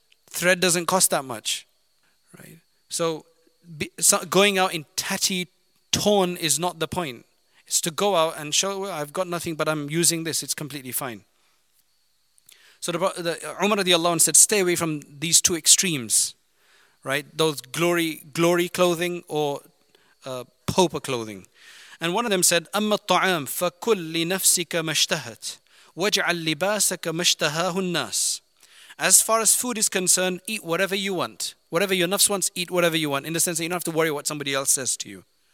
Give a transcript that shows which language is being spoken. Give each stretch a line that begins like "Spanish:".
English: Thread doesn't cost that much, right? So going out in tatty, torn is not the point. It's to go out and show, well, I've got nothing, but I'm using this. It's completely fine. So Umar radiallahu anhu said, stay away from these two extremes. Right, those glory clothing or pauper clothing. And one of them said,
Arabic: أَمَّا الطَّعَامُ فَكُلْ لِنَفْسِكَ مَشْتَهَتْ وَاجْعَلْ لِبَاسَكَ مَشْتَهَاهُ النَّاسِ.
English: As far as food is concerned, eat whatever you want. Whatever your nafs wants, eat whatever you want. In the sense that you don't have to worry what somebody else says to you.